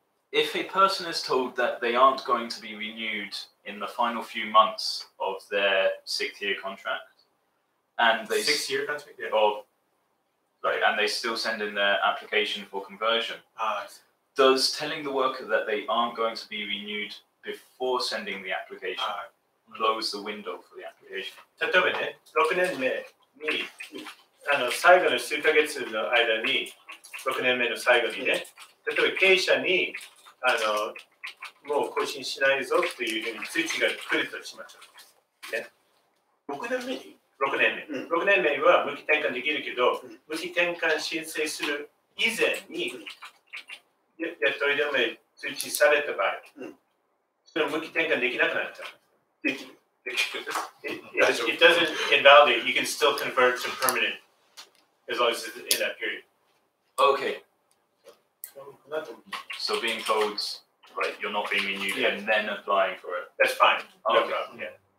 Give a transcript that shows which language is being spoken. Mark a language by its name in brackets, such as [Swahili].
[English] If a person is told that they aren't going to be renewed in the final few months of their six-year contract, and they six-year contract, yeah. And they still send in their application for conversion, does telling the worker that they aren't going to be renewed before sending the application close the window for the application? [Japanese] 例えばね、6年目に あの、最後の数ヶ月の間に、6年目の最後にね、例えば経営者にあの、もう更新しないぞっていうふうに通知が来るとしましょう。ね、 6年目に ?6 年目、うん。 6年目は無期転換できるけど、うん、無期転換申請する以前に、雇い止め通知された場合、うん、それ無期転換できなくなっちゃう。できる。 [English] It doesn't invalidate. You can still convert to permanent as long as it's in that period. Okay. So being told, right, you're not being renewed and then applying for it. That's fine. No problem. Yeah.